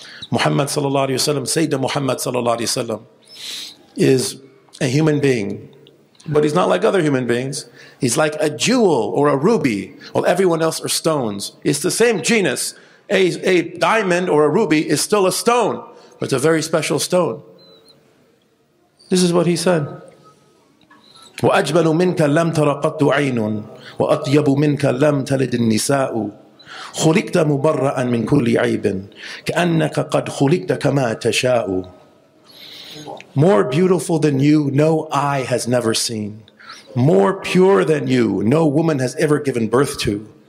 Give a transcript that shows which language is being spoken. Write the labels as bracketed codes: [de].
[en] Muhammad sallallahu alayhi wa sallam, Sayyidina Muhammad sallallahu alayhi wa sallam, is a human being. But he's not like other human beings. He's like a jewel or a ruby, while everyone else are stones. It's the same genus. A diamond or a ruby is still a stone, but it's a very special stone. This is what he said. [ar] وأجمل منك لم تر قط عين وأطيب منك لم تلد النساء خلقت مبرئا من كل عيب كأنك قد خلقت كما تشاء. [en] More beautiful than you, no eye has never seen. More pure than you, no woman has ever given birth to.